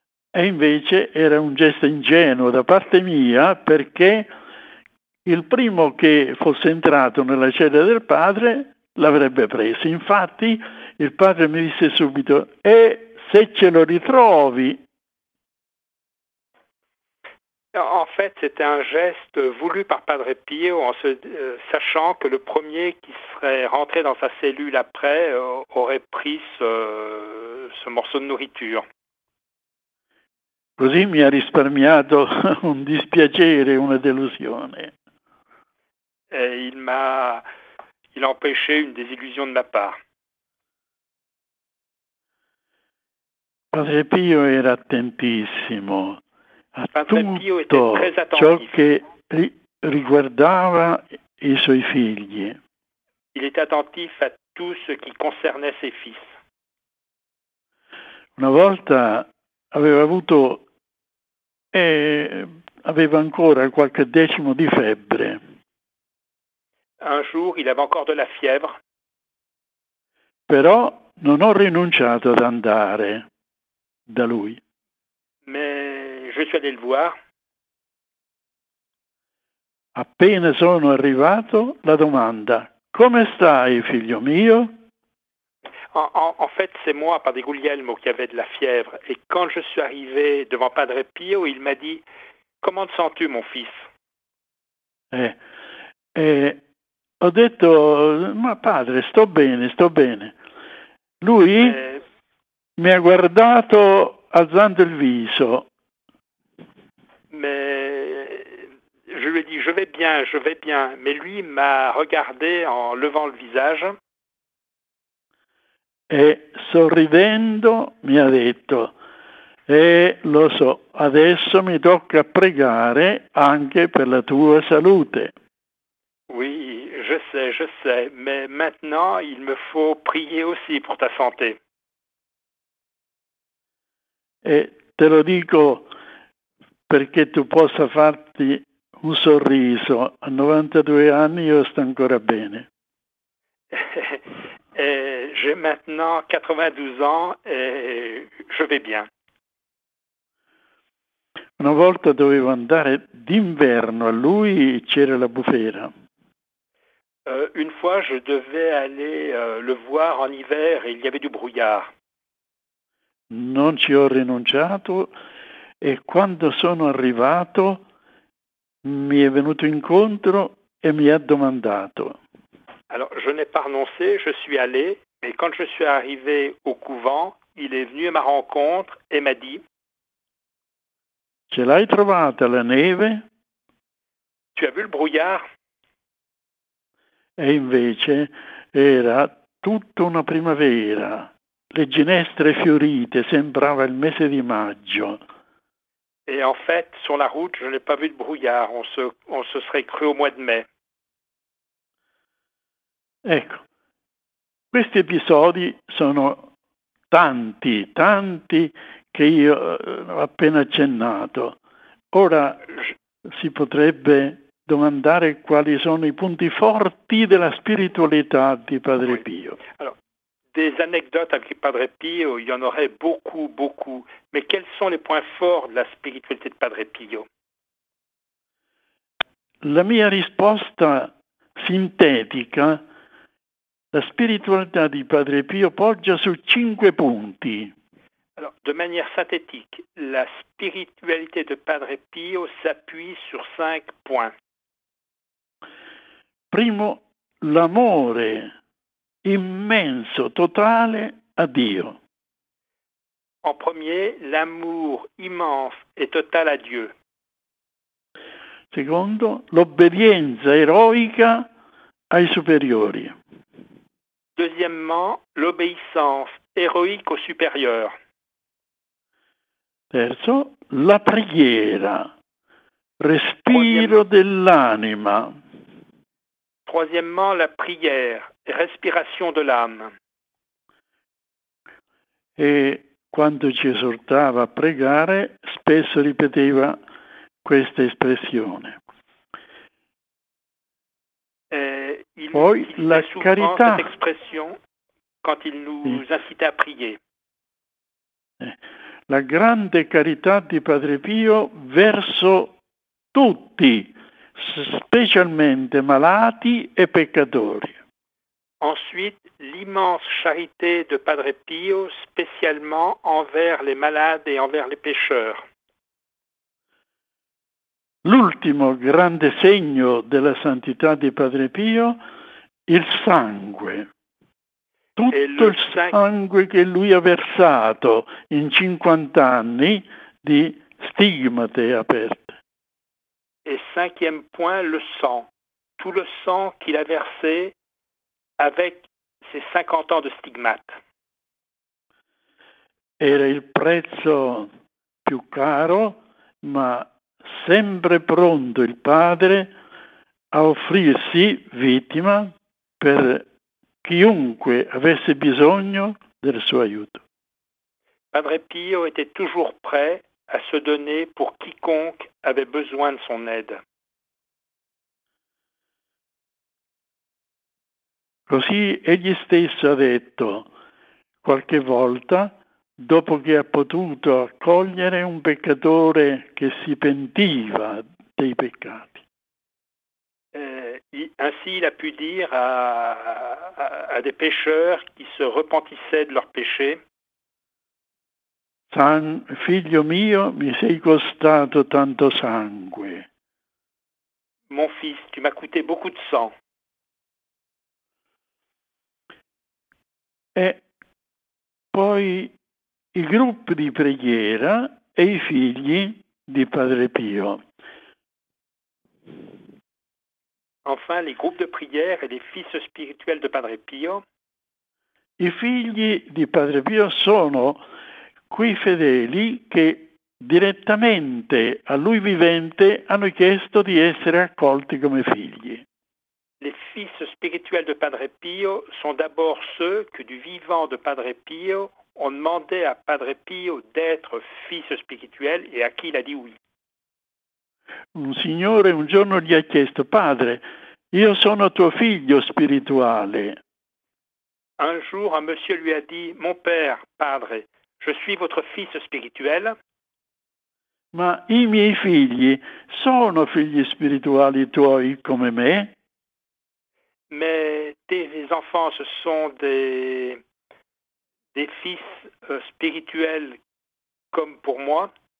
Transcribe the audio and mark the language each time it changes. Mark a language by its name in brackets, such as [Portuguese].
[Italian] E invece era un gesto ingenuo da parte mia, perché il primo che fosse entrato nella cella del padre l'avrebbe preso. Infatti il padre mi disse subito: e se ce lo ritrovi? [French] En fait, c'était un geste voulu par Padre Pio, en se sachant que le premier qui serait rentré dans sa cellule après aurait pris ce morceau de nourriture. [Italian] Così mi ha risparmiato un dispiacere, una delusione. [French] Et il a empêché une désillusion de ma part. [Italian] Padre Pio era attentissimo a Padre tutto [French] Pio était très attentif. [Italian] Ciò che riguardava i suoi figli. [French] Il était attentif à tout ce qui concernait ses fils. [Italian] Una volta aveva ancora qualche decimo di febbre. [French] Un jour, il avait encore de la fièvre. [Italian] Però non ho rinunciato ad andare da lui. [French] Mais je suis allé le voir. [Italian] Appena sono arrivato, la domanda: come stai, figlio mio? [French] En fait, c'est moi, Padre Guglielmo, qui avait de la fièvre. Et quand je suis arrivé devant Padre Pio, il m'a dit: comment te sens-tu, mon fils? [Italian] Ho detto: ma padre, sto bene, sto bene. Lui mi ha guardato alzando il viso. [French] Mais je lui ai dit: je vais bien. Mais lui m'a regardé en levant le visage. [Italian] E sorridendo mi ha detto: lo so, adesso mi tocca pregare anche per la tua salute. [French] Oui, je sais, mais maintenant il me faut prier aussi pour ta santé. [Italian] E te lo dico perché tu possa farti un sorriso. A 92 anni io sto ancora bene. [French] Et j'ai maintenant 92 ans et je vais bien. [Italian] Una volta dovevo andare d'inverno a lui, c'era la bufera. [French] Une fois je devais aller le voir en hiver et il y avait du brouillard. [Italian] Non ci ho rinunciato e quando sono arrivato mi è venuto incontro e mi ha domandato. [French] Alors, je n'ai pas renoncé, je suis allé, mais quand je suis arrivé au couvent, il est venu à ma rencontre et m'a dit: [Italian] ce l'hai trovata la neve? [French] Tu as vu le brouillard? [Italian] E invece era tutta una primavera, le ginestre fiorite, sembrava il mese di maggio. [French] Et en fait, sur la route, je n'ai pas vu de brouillard, on se serait cru au mois de mai. [Italian] Ecco, questi episodi sono tanti, tanti che io ho appena accennato. Ora si potrebbe domandare quali sono i punti forti della spiritualità di Padre Pio. [French] Allora, des anecdotes avec Padre Pio, il y en aurait beaucoup, beaucoup. Mais quels sont les points forts [Italian] della spiritualità di Padre Pio? La mia risposta sintetica: la spiritualità di Padre Pio poggia su 5 punti. [French] Alors, de manière synthétique, la spiritualité de Padre Pio s'appuie sur 5 points. [Italian] Primo, l'amore immenso, totale a Dio. [French] En premier, l'amour immense et total à Dieu. [Italian] Secondo, l'obbedienza eroica ai superiori. [French] Deuxièmement, l'obéissance héroïque au supérieur. [Italian] Terzo, la preghiera, respiro dell'anima. [French] Troisièmement, la prière, respiration de l'âme. [Italian] E quando ci esortava a pregare, spesso ripeteva questa espressione. Poi la carità. [French] Cette expression quand il nous incitait à prier. [Italian] La grande carità di Padre Pio verso tutti, specialmente malati e peccatori. [French] Ensuite, l'immense charité de Padre Pio, spécialement envers les malades et envers les pécheurs. [Italian] L'ultimo grande segno della santità di Padre Pio, il sangue. Tutto il sangue che lui ha versato in 50 anni di stigmate aperte. [French] E cinquième point, le sang. Tout le sang qu'il a versé avec ses 50 ans de stigmates. [Italian] Era il prezzo più caro, ma sempre pronto il padre a offrirsi vittima per chiunque avesse bisogno del suo aiuto. [French] Padre Pio était toujours prêt à se donner pour quiconque avait besoin de son aide. [Italian] Così egli stesso ha detto qualche volta, dopo che ha potuto accogliere un peccatore che si pentiva dei peccati. [French] Ainsi il a pu dire à des pécheurs qui se repentissaient de leurs péchés. [Italian] Figlio mio, mi sei costato tanto sangue. [French] Mon fils, tu m'as coûté beaucoup de sang. [Italian] E poi i gruppi di preghiera e i figli di Padre Pio. [French] Enfin, les groupes de prière et les fils spirituels de Padre Pio. [Italian] I figli di Padre Pio sono quei fedeli che direttamente a lui vivente hanno chiesto di essere accolti come figli. [French] Les fils spirituels de Padre Pio sont d'abord ceux que du vivant de Padre Pio ont demandé à Padre Pio d'être fils spirituel et à qui il a dit oui. [Italian] Un signore un giorno gli ha chiesto: padre, io sono tuo figlio spirituale. [French] Un jour un monsieur lui a dit: mon père, padre, je suis votre fils spirituel. [Italian] Ma i miei figli sono figli spirituali tuoi come me? [French] Mais tes enfants, ce sont des fils spirituels comme pour moi?